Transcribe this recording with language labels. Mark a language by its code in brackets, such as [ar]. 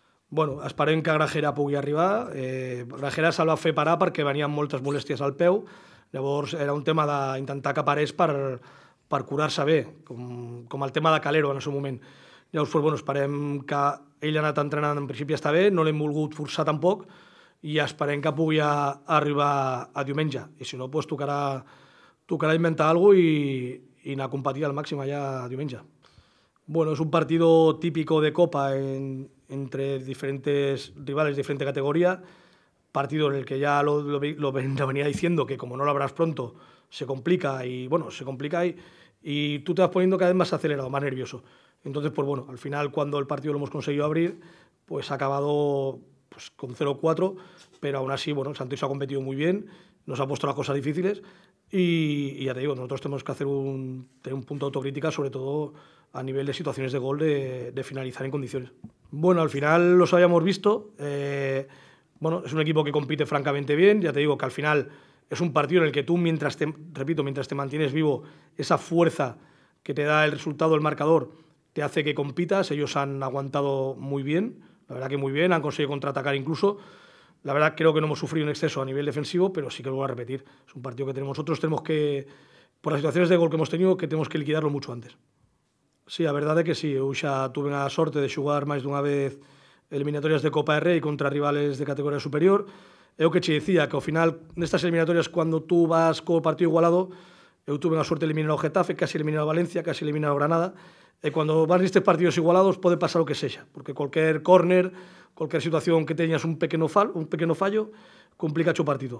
[ca] Bueno, esperem que Grajera pugui arribar. Grajera se'l va fer parar perquè venien moltes molèsties al peu, llavors era un tema d'intentar que parés per curar-se bé, com el tema de Calero en el seu moment. Llavors, pues, bueno, esperem que ell ha anat entrenant, en principi està bé, no l'hem volgut forçar tampoc, i esperem que pugui arribar a diumenge. I si no, pues, tocarà inventar alguna cosa i anar a competir al màxim allà a diumenge. [es] Bueno, es un partido típico de Copa entre diferentes rivales, diferente categoría. Partido en el que ya lo venía diciendo, que como no lo abras pronto, se complica y, bueno, se complica y tú te vas poniendo cada vez más acelerado, más nervioso. Entonces, pues bueno, al final cuando el partido lo hemos conseguido abrir, pues ha acabado pues, con 0-4, pero aún así, bueno, el Santos ha competido muy bien, nos ha puesto las cosas difíciles y ya te digo, nosotros tenemos que tener un punto de autocrítica, sobre todo a nivel de situaciones de gol, de finalizar en condiciones. Bueno, al final los habíamos visto. Bueno, es un equipo que compite francamente bien. Ya te digo que al final es un partido en el que tú, mientras te mantienes vivo, esa fuerza que te da el resultado, el marcador, te hace que compitas. Ellos han aguantado muy bien, la verdad que muy bien, han conseguido contraatacar incluso. La verdad creo que no hemos sufrido un exceso a nivel defensivo, pero sí que lo voy a repetir. Es un partido que nosotros tenemos que, por las situaciones de gol que hemos tenido, que tenemos que liquidarlo mucho antes. [gl] Sí, a verdade que sí, eu xa tuve a sorte de xugar máis dunha vez eliminatorias de Copa de Rei contra rivales de categoría superior. Eu que te dicía que ao final nestas eliminatorias, cando tú vas co partido igualado, eu tuve a sorte de eliminar o Getafe, casi eliminar o Valencia, casi eliminar o Granada, e cando vas nestes partidos igualados pode pasar o que sexa, porque [es] cualquier córner, cualquier situación [gl] que teñas un pequeno fallo, complica o partido.